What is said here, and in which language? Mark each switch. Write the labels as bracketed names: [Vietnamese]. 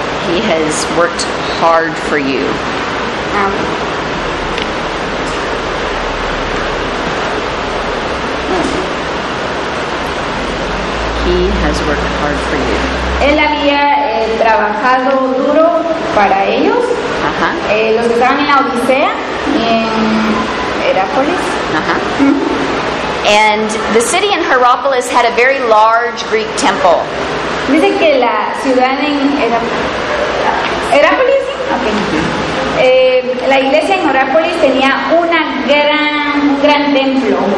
[English] He has worked hard for you. He has worked hard for you. [Spanish] Él había trabajado duro para ellos. Uh-huh. Los que estaban en la Odisea y en Herápolis. Uh-huh. Mm-hmm. [English] And the city in Hierapolis had a very large Greek temple. [Spanish] Dice que la ciudad en Herápolis, sí. Okay. La iglesia en Herápolis tenía un gran templo.